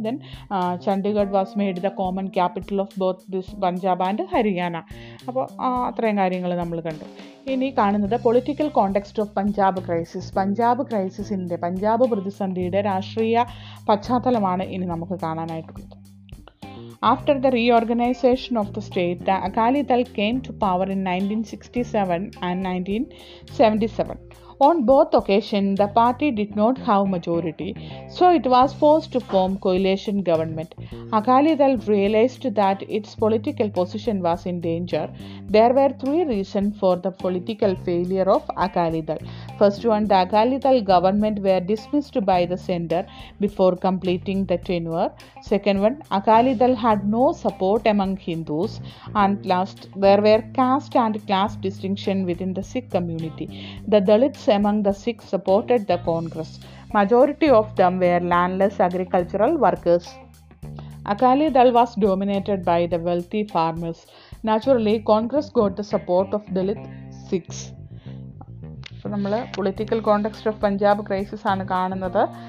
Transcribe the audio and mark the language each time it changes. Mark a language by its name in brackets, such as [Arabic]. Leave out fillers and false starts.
[English] Then Chandigarh was made the common capital of both this Punjab and Haryana. [Malayalam] അപ്പോൾ അത്രയും കാര്യങ്ങൾ നമ്മൾ കണ്ടു. ഇനി കാണുന്നത് [English] Political context of Punjab crisis. [Malayalam] Punjab ക്രൈസിസിൻ്റെ, Punjab പ്രതിസന്ധിയുടെ രാഷ്ട്രീയ പശ്ചാത്തലമാണ് ഇനി നമുക്ക് കാണാനായിട്ടുള്ളത്. [English] After the reorganization of the state, the Akali Dal came to power in 1967 and 1977. On both occasions, the party did not have majority, so it was forced to form coalition government. Akali Dal realized that its political position was in danger. There were three reasons for the political failure of Akali Dal. First one, the Akali Dal government were dismissed by the center before completing the tenure. Second one, Akali Dal had no support among Hindus. And last, there were caste and class distinction within the Sikh community. The Dalits among the Sikhs supported the Congress. Majority of them were landless agricultural workers. Akali Dal was dominated by the wealthy farmers. Naturally, Congress got the support of Dalit Sikhs. [Malayalam] അപ്പോൾ നമ്മൾ [English] political context of Punjab crisis [Malayalam] ആണ് കാണുന്നത്.